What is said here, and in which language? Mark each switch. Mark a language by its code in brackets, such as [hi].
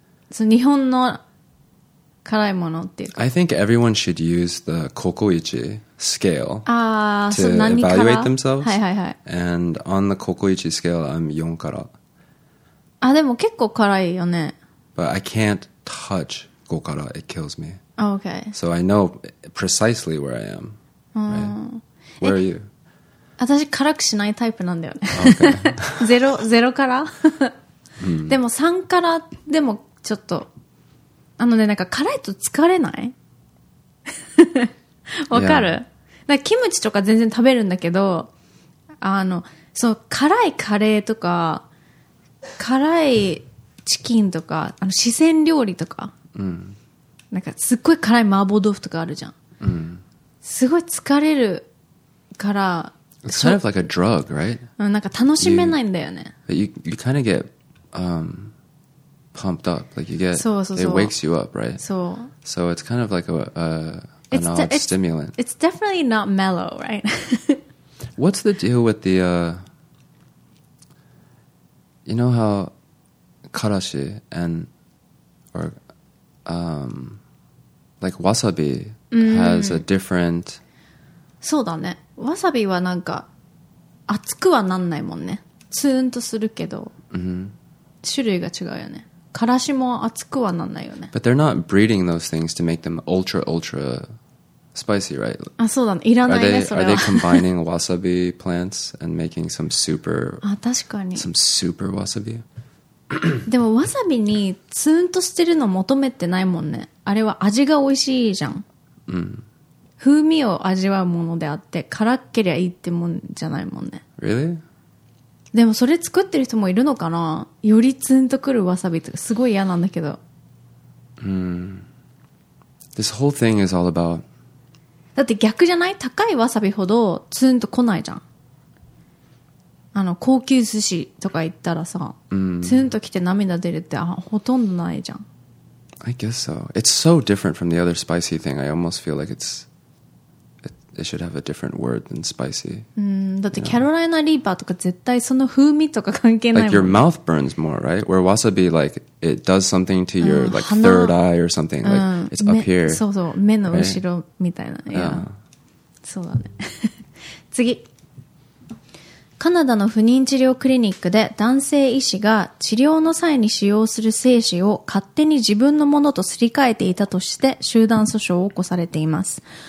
[ja] 日本の辛いものっていうか。 [en] I think everyone should use the Kokoichi scale to evaluate themselves. [ja] はいはいはい。 [en] And on the Kokoichi scale, I'm 4から。 [ja] あ、でも結構辛いよね。 [en] But I can't touch 5から。It kills me. Okay. So I know precisely where I am. Right? Where are you? [ja] 私辛くしないタイプなんだよね。 [en] Okay. [ja] ゼロから でも3からでもちょっと。あのね、なんか辛いと疲れない? わかる?だからキムチとか全然食べるんだけど、その辛いカレーとか、辛いチキンとか、四川料理とか、なんかすっごい辛い麻婆豆腐とかあるじゃん。すごい疲れるから、 [en] It's kind of like a drug, right? [ja] なんか楽しめないんだよね。 [en] You kind of get, pumped up, like you get, it wakes you up, right? So it's kind of like an odd stimulant. It's definitely not mellow, right? What's the deal with the, you know how karashi like wasabi has a different... [ja] そうだね。わさびはなんか熱くはなんないもんね。ツーンとするけど、種類が違うよね。からしも熱くはなんないよね。 [en] But they're not breeding those things to make them ultra, ultra spicy, right? [ja] あ、そうだね。いらないね、それは。 [en] Are they combining wasabi plants and making some super... [ja] あ、確かに。 [en] Some super wasabi? [ja] でも、わさびにツーンとしてるの求めてないもんね。あれは味が美味しいじゃん。風味を味わうものであって、辛っけりゃいいってもんじゃないもんね。 [en] Really? [ja] でもそれ作ってる人もいるのかな?よりツンとくるわさびとかすごい嫌なんだけど。 [en] This whole thing is all about... [ja] だって逆じゃない?高いわさびほどツンと来ないじゃん。の高級寿司とか行ったらさ、ツンと来て涙出るってほとんどないじゃん。 [en] I guess so. It's so different from the other spicy thing. I almost feel like it should have a different word than spicy. [ja] だってキャロライナリーパーとか絶対その風味とか関係ないもん。 [en] Like your mouth burns more, right? Where wasabi, like, it does something to your, like, third eye or something. Like, it's up here. [ja] そうそう、目の後ろみたいな。 Yeah. そうだね。次。カナダの不妊治療クリニックで男性医師が治療の際に使用する精子を勝手に自分のものとすり替えていたとして集団訴訟を起こされています。